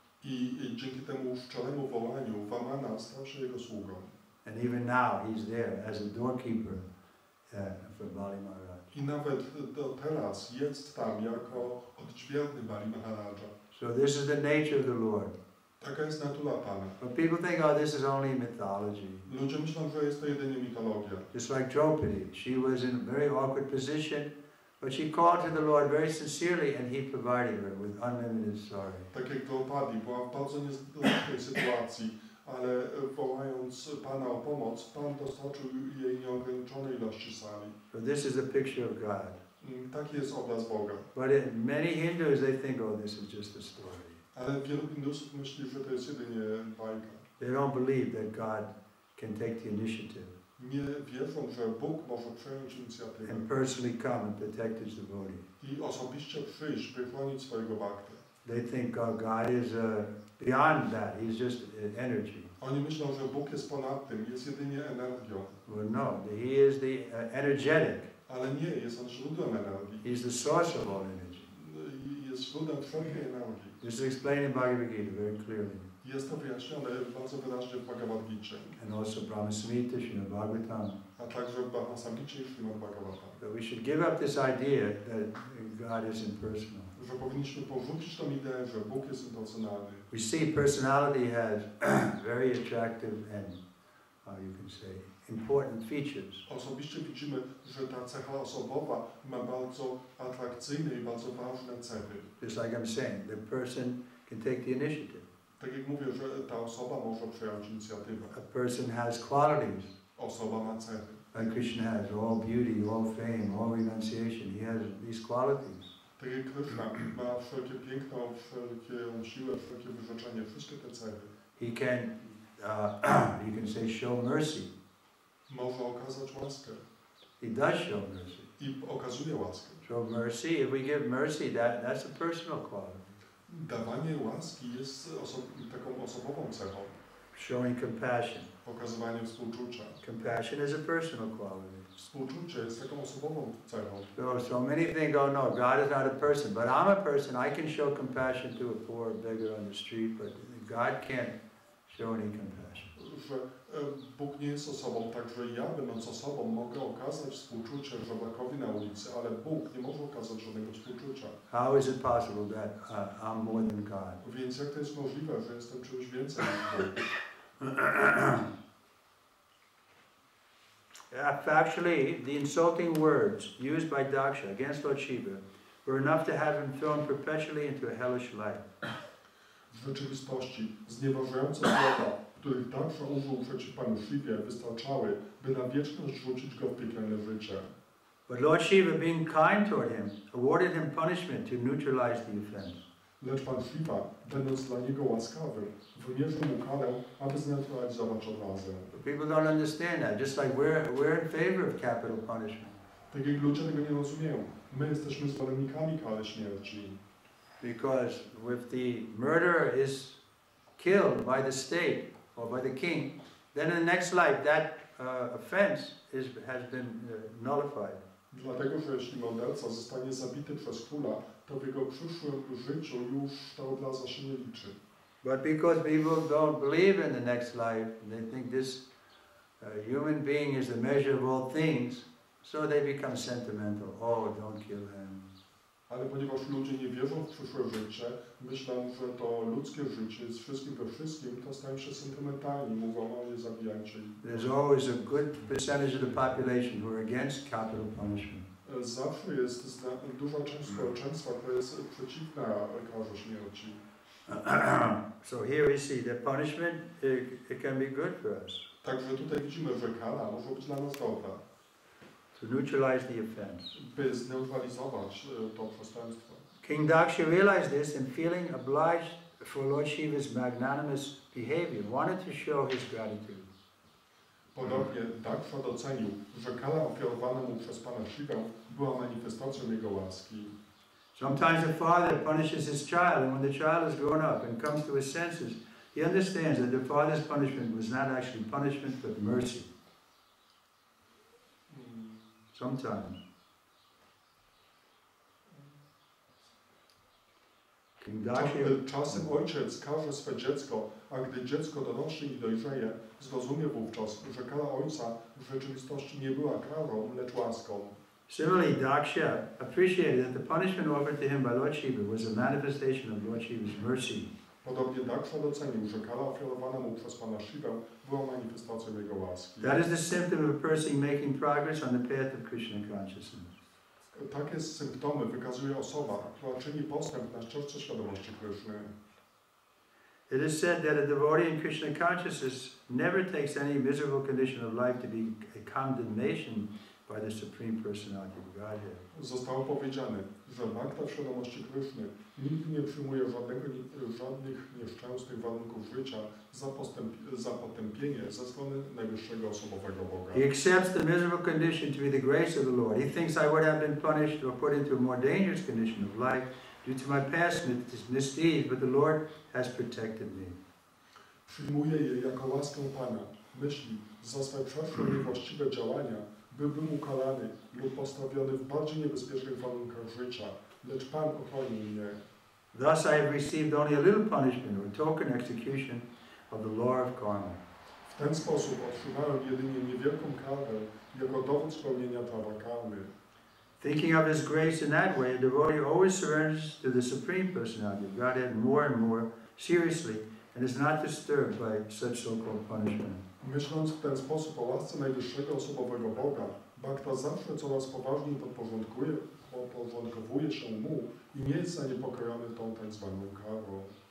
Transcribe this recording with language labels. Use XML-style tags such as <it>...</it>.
<pl>I dzięki temu szczeremu wołaniu Vamana stał się jego sługą.</pl> <en>And even now he's there as a doorkeeper for Bali Maharaj.</en> <pl>I nawet do teraz jest tam jako oddźwierny Bali Maharaja.</pl> <en>So this is the nature of the Lord.</en> <pl>Taka jest natura Pana.</pl> <en>But people think, oh, this is only mythology.</en> <pl>Ludzie myślą, że jest to jedynie mitologia.</pl> <en>Just like Draupadi, she was in a very awkward position. But she called to the Lord very sincerely and he provided her with unlimited sorrow.</en> <pl>Tak jak Draupadi była w bardzo niezwykłej sytuacji, ale wołając Pana o pomoc, Pan dostarczył jej nieograniczonej ilości sali.</pl> <en>So this is a picture of God.</en> <pl>Taki jest obraz Boga.</pl> <en>But in many Hindus they think, oh, this is just a story.</en> <pl>Ale wielu Hindusów myśli, że to jest jedynie bajka.</pl> <en>They don't believe that God can take the initiative.</en> <pl>Nie wierzą, że Bóg może przejąć inicjatywę.</pl> <en>And personally come and protect his devotee.</en> <pl>I osobiście przyjść, by chronić swojego bhaktę.</pl> <en>They think God is beyond that. He's just energy.</en> <pl>Oni myślą, że Bóg jest ponad tym, jest jedynie energią.</pl> <en>Well, no, he is the energetic.</en> <pl>Ale nie, jest on źródłem energii.</pl> <en>He's the source of all energy.</en> <pl>Jest źródłem wszelkiej energii.</pl> <en>This is explained in Bhagavad Gita very clearly.</en> <pl>Jest to wyjaśnione bardzo wyraźnie w Bhagavad Gita.</pl> <en>And also Brahmasmita, Srimad Bhagavatam.</en> <pl>A także Brahmasamgita i Srimad Bhagavatam.</pl> <en>That we should give up this idea that God is impersonal.</en> <pl>Że powinniśmy porzucić tą ideę, że Bóg jest impersonalny.</pl> <en>We see personality has very attractive and, you can say, important features.</en> <pl>Osobiście widzimy, że ta cecha osobowa ma bardzo atrakcyjne i bardzo ważne cechy.</pl> <en>Just like I'm saying, the person can take the initiative.</en> <pl>Tak jak mówię, że ta osoba może przejąć inicjatywę.</pl> <en>A person has qualities.</en> <pl>Osoba ma cechy.</pl> <en>And Krishna has all beauty, all fame, all renunciation. He has these qualities.</en> <pl>Tak jak Krishna ma wszelkie piękno, wszelkie siłę, wszelkie wyrzeczenie, wszystkie te cechy.</pl> <en>He can, you can say, show mercy.</en> <pl>Może okazać łaskę.</pl> <en>He does show mercy.</en> <pl>I okazuje łaskę.</pl> <en>Show mercy. If we give mercy, that's a personal quality.</en> <pl>Dawanie łaski jest taką osobową cechą.</pl> <en>Showing compassion.</en> <pl>Pokazywanie współczucia.</pl> <en>Compassion is a personal quality.</en> <pl>Współczucie jest taką osobową cechą.</pl> <en>So many think, oh no, God is not a person. But I'm a person. I can show compassion to a poor beggar on the street, but God can't show any compassion.</en> <pl>Że Bóg nie jest osobą, także ja będąc osobą mogę okazać współczucie żebrakowi na ulicy, ale Bóg nie może okazać żadnego współczucia.</pl> <en>How is it possible that I'm more than God?</en> <pl>Więc jak to jest możliwe, że jestem czymś więcej niż Bóg?</pl> <en>Factually, the insulting words used by Daksha against Lord Shiva were enough to have him thrown perpetually into a hellish life.</en> <pl>W rzeczywistości, znieważające słowa, których Daksha użył przeciw Panu Shiwie, wystarczały, by na wieczność zrzucić go w piekielne życie.</pl> <en>But Lord Shiva, being kind toward him, awarded him punishment to neutralize the offense.</en> <pl>Lecz Pan Shiva, będąc dla niego łaskawy, wymierzył mu karę, aby zneutralizować odrazę.</pl> <en>People don't understand that. Just like we're in favor of capital punishment.</en> <pl>Tak jak ludzie tego nie rozumieją. My jesteśmy zwolennikami kary śmierci.</pl> <en>Because if the murderer is killed by the state or by the king, then in the next life that offense has been nullified.</en> <pl>Dlatego, że jeśli morderca zostanie zabity przez króla, to w jego przyszłym życiu już ta odraza się nie liczy.</pl> <en>But because people don't believe in the next life, they think this human being is the measure of all things, so they become sentimental. Oh, don't kill him.</en> <pl>Ale ponieważ ludzie nie wierzą w przyszłe życie, myślą, że to ludzkie życie jest wszystkim we wszystkim, to stają się sentymentalni, mówią o nie zabijajcie.</pl> <en>There's always a good percentage of the population who are against capital punishment.</en> <pl>Zawsze jest duża część społeczeństwa, która jest przeciwna karze śmierci.</pl> <en>So here we see that punishment it can be good for us.</en> <pl>Także tutaj widzimy, że kara może być dla nas dobra.</pl> <en>To neutralize the offense.</en> <pl>By zneutralizować to przestępstwo.</pl> <en>King Daksha realized this and feeling obliged for Lord Shiva's magnanimous behavior, wanted to show his gratitude.</en> <pl>Podobnie Daksha docenił, że kara ofiarowana mu przez Pana Shivę była manifestacją jego łaski.</pl> <en>Sometimes a father punishes his child, and when the child has grown up and comes to his senses, he understands that the father's punishment was not actually punishment, but mercy. Sometimes. King Daksha.</en> <pl>Czasem ojciec każe swe dziecko, a gdy dziecko dorośnie i dojrzeje, zrozumie wówczas, że kara ojca w rzeczywistości nie była karą, lecz łaską.</pl> <en>Similarly, Daksha appreciated that the punishment offered to him by Lord Shiva was a manifestation of Lord Shiva's mercy.</en> <pl>Podobnie Daksha docenił, że kara ofiarowana mu przez Pana Shivę była manifestacją jego łaski.</pl> <en>That is the symptom of a person making progress on the path of Krishna consciousness.</en> <pl>Takie symptomy wykazuje osoba, która czyni postęp na ścieżce świadomości Krishna.</pl> <en>It is said that a devotee in Krishna consciousness never takes any miserable condition of life to be a condemnation by the Supreme Personality of Godhead.</en> <pl>Zostało powiedziane, że bhakta w świadomości Kryszny nigdy nie przyjmuje żadnych nieszczęsnych warunków życia za potępienie ze strony najwyższego osobowego Boga.</pl> <en>He accepts the miserable condition to be the grace of the Lord. He thinks I would have been punished or put into a more dangerous condition of life due to my past misdeeds, but the Lord has protected me.</en> <pl>Przyjmuje je jako łaskę Pana. Myśli, za swe przeszłe niewłaściwe działania byłbym ukarany lub postawiony w bardziej niebezpiecznych warunkach życia, lecz Pan ochronił mnie.</pl> <en>Thus I have received only a little punishment or token execution of the law of karma.</en> <pl>W ten sposób otrzymałem jedynie niewielką karę jako dowód spełnienia prawa karmy.</pl> <en>Thinking of his grace in that way, a devotee always surrenders to the Supreme Personality of Godhead more and more seriously and is not disturbed by such so-called punishment.</en> <pl>Myśląc w ten sposób o łasce najwyższego osobowego Boga, bhakta zawsze coraz poważniej podporządkowuje się mu i nie jest zaniepokojony tą tak zwaną karą.</pl>